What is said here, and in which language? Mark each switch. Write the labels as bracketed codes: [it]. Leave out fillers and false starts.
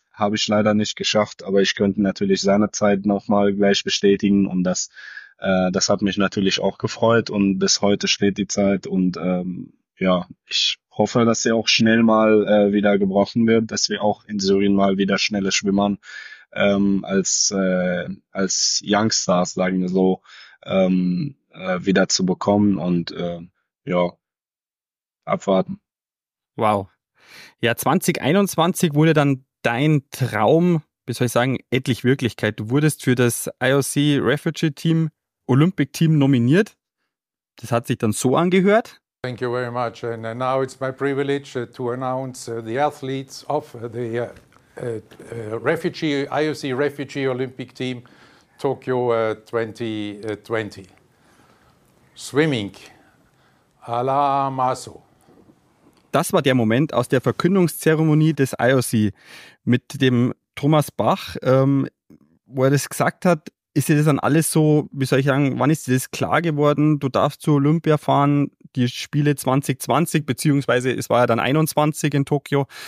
[de] habe ich leider nicht geschafft, aber ich könnte natürlich seinerzeit nochmal gleich bestätigen und das hat mich natürlich auch gefreut und bis heute steht die Zeit und ja, ich hoffe, dass sie auch schnell mal wieder gebrochen wird, dass wir auch in Syrien mal wieder schnelle Schwimmern als Youngstars, sagen wir so, wieder zu bekommen und ja, abwarten. Wow. Ja, 2021 wurde dann dein Traum, wie soll ich sagen, endlich Wirklichkeit. Du wurdest für das IOC Refugee Team, Olympic Team nominiert. Das hat sich dann so angehört. [en] Thank you very much. And now it's my privilege to announce the athletes of the IOC Refugee Olympic Team Tokyo 2020. Swimming, Alaa Maso. [de] Das war der Moment aus der Verkündungszeremonie des IOC mit dem Thomas Bach, wo er das gesagt hat. Ist dir das dann alles so, wie soll ich sagen, wann ist dir das klar geworden? Du darfst zu Olympia fahren, die Spiele 2020, beziehungsweise es war ja dann 21 in Tokio.